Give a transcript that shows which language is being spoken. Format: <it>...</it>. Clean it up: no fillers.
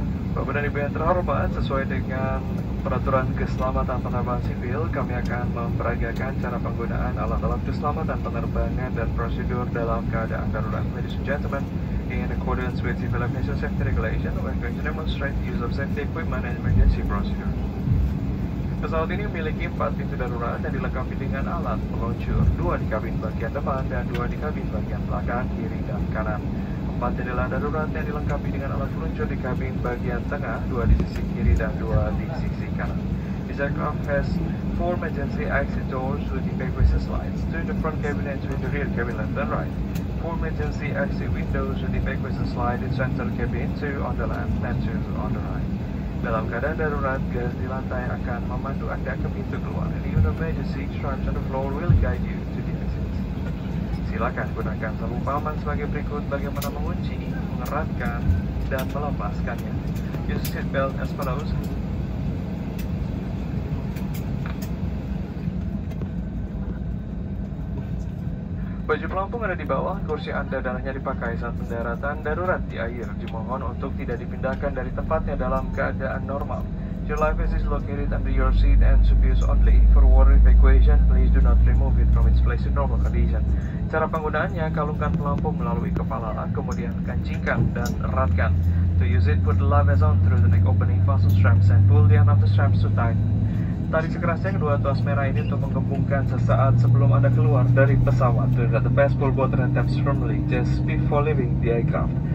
<id>Bapak dan Ibu yang terhormat, sesuai dengan peraturan keselamatan penerbangan sipil, kami akan memperagakan cara penggunaan alat-alat keselamatan penerbangan dan prosedur dalam keadaan darurat.</id> <en>Ladies and gentlemen, in accordance with Civil Aviation Safety Regulation, we are going to demonstrate use of safety equipment and emergency procedure.</en> <id>Pesawat ini memiliki 4 pintu darurat yang dilengkapi dengan alat peluncur, 2 di kabin bagian depan dan 2 di kabin bagian belakang, kiri dan kanan. 4 jendela darurat yang dilengkapi dengan alat peluncur di kabin bagian tengah, 2 di sisi kiri dan 2 di sisi kanan.</id> <en>This aircraft has 4 emergency exit doors with evacuation slides, 2 in the front cabin and 2 in the rear cabin left and right. 4 emergency exit windows with evacuation slides in center cabin, 2 on the left and 2 on the right.</en> <id>Dalam keadaan darurat, gas di lantai akan memandu Anda ke pintu keluar.</id> <en>The emergency instructions on the floor will guide you to the exit.</en> <id>Silakan gunakan sabuk pengaman sebagai berikut bagaimana mengunci, mengeratkan, dan melepaskannya.</id> <en>Use seat belt as follows.</en> <id>Baju pelampung ada di bawah, kursi Anda dan hanya dipakai saat pendaratan darurat di air. Dimohon untuk tidak dipindahkan dari tempatnya dalam keadaan normal.</id> <en>Your life vest is located under your seat and should be used only. For water evacuation, please do not remove it from its place in normal condition.</en> <id>Cara penggunaannya, kalungkan pelampung melalui kepala, kemudian kancingkan dan eratkan.</id> <en>To use it, put the life vest on through the neck opening, fasten straps, and pull the end of the straps to tighten.</en> <id>Tarik sekerasnya kedua tuas merah ini untuk menggembungkan sesaat sebelum Anda keluar dari pesawat.</id> <en>Do not press pull button and taps firmly just before leaving the aircraft.</en>